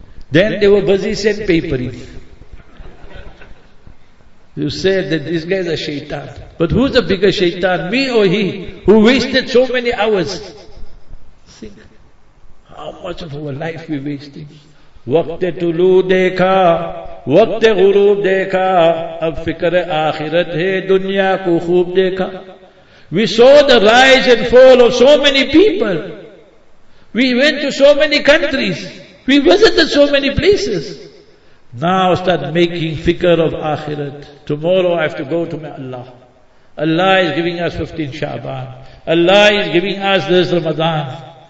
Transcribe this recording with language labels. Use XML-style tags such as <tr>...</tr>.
<en>Then they were busy sandpapering. You said that these guys are shaitan. But who's the bigger shaitan, me or he, who wasted so many hours? Think, how much of our life we wasting?</en> <ur>وقت طلوع دیکھا وقت غروب دیکھا اب فکر آخرت ہے دنیا کو خوب دیکھا.</ur> <en>We saw the rise and fall of so many people. We went to so many countries. We visited so many places. Now start making fikr of akhirat. Tomorrow I have to go to my Allah. Allah is giving us 15 Shaban. Allah is giving us this Ramadan.</en>